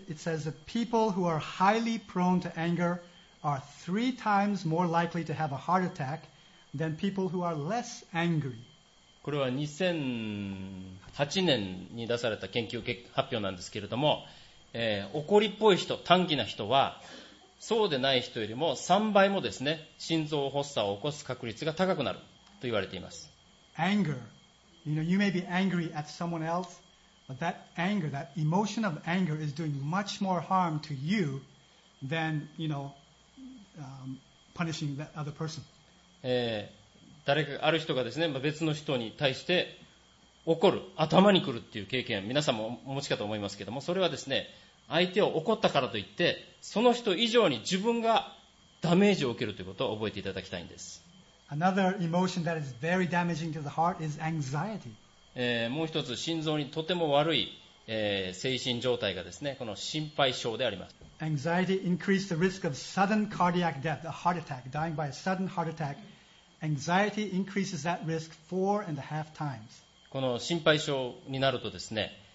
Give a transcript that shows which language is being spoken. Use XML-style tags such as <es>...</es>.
<en>It says that people who are highly prone to anger are three times more likely to have a heart attack than people who are less angry.</en> <ja>これは2008年に出された研究発表なんですけれども、怒りっぽい人、短気な人はそうでない人よりも3倍もですね、心臓発作を起こす確率が高くなると言われています。</ja> <en>AngerYou know, you may be angry at someone else, but that anger, that emotion of anger is doing much more harm to you than, you know, punishing that other person.</en> <ja>誰か、ある人がですね、別の人に対して怒る、頭に来るっていう経験、皆さんもお持ちかと思いますけども、それはですね、相手を怒ったからといって、その人以上に自分がダメージを受けるということを覚えていただきたいんです。</ja> <en>Another emotion that is very damaging to the heart is anxiety.</en> <ja>もう一つ心臓にとても悪い、精神状態がですね、この心配症であります。</ja> <en>Anxiety increases the risk of sudden cardiac death, a heart attack, dying by a sudden heart attack. Anxiety increases that risk 4.5 times.</en> <ja>この心配症になるとですね、</ja>